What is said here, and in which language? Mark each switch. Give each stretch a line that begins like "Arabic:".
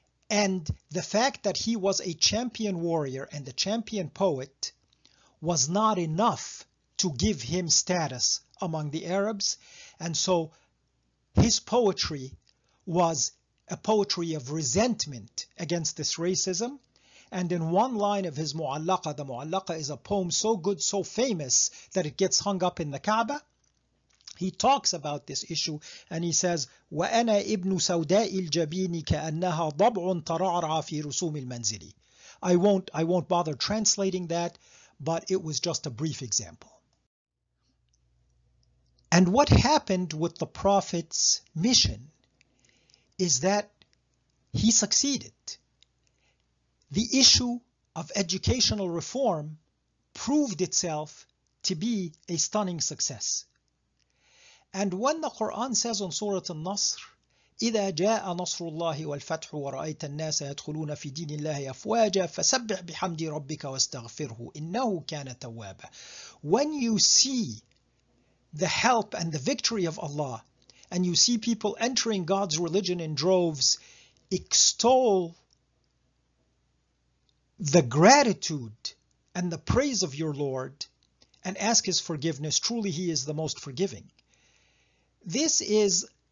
English: And the fact that he was a champion warrior and a champion poet was not enough to give him status among the Arabs. And so his poetry was a poetry of resentment against this racism. And in one line of his Mu'allaqa, the Mu'allaqa is a poem so good, so famous, that it gets hung up in the Kaaba. He talks about this issue and he says,
Arabic: وَأَنَا إِبْنُ سَوْدَاءِ الْجَبِينِ كَأَنَّهَا ضَبْعٌ تَرَعْرَعَ فِي رُسُومِ الْمَنْزِلِ.
English: I won't bother translating that, but it was just a brief example. And what happened with the Prophet's mission is that he succeeded. The issue of educational reform proved itself to be a stunning success. And when the Quran says on Surah An-Nasr,
Arabic: إِذَا جَاءَ نَصْرُ اللَّهِ وَالْفَتْحُ وَرَأَيْتَ النَّاسَ يَدْخُلُونَ فِي دِينِ اللَّهِ أَفْوَاجًا فَسَبِّحْ بِحَمْدِ رَبِّكَ وَاسْتَغْفِرْهُ إِنَّهُ كَانَ تَوَّابًا.
English: When you see the help and the victory of Allah, and you see people entering God's religion in droves, extol the gratitude and the praise of your Lord, and ask His forgiveness, truly He is the most forgiving. This is